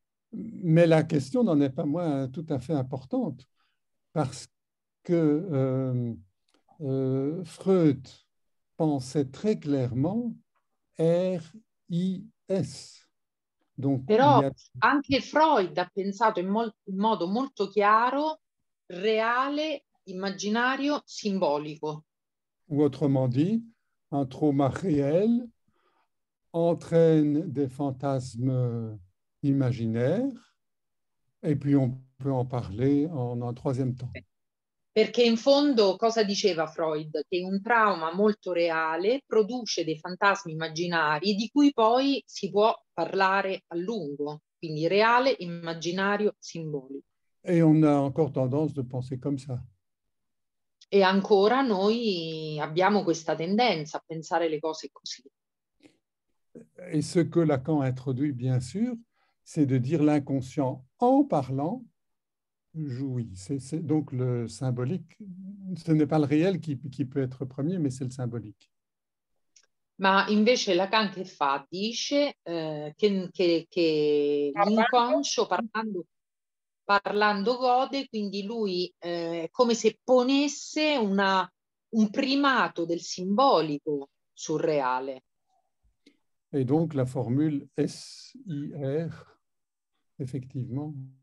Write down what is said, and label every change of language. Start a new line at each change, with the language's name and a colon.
French: Mais la question n'en est pas moins tout à fait importante, parce que Freud pensait très clairement R-I-S. Donc, però il y a...
Italian: anche Freud a pensato in modo molto chiaro reale, immaginario, simbolico.
French: Ou autrement dit, un trauma réel entraîne des fantasmes imaginaires, et puis on peut en parler en un troisième temps.
Italian: Perché in fondo cosa diceva Freud? Che un trauma molto reale produce dei fantasmi immaginari di cui poi si può parlare a lungo, quindi reale, immaginario, simbolico.
French: Et on a encore tendance de penser comme ça.
Italian: E ancora noi abbiamo questa tendenza a pensare le cose così.
French: Et ce que Lacan introduit, bien sûr, c'est de dire l'inconscient en parlant jouit. C'est donc le symbolique. Ce n'est pas le réel qui peut être premier, mais c'est le symbolique.
Italian: Ma invece Lacan che fa dice che l'inconscio parlando gode, quindi lui come se ponesse un primato del simbolico sul reale.
French: Et donc, la formule S-I-R, effectivement.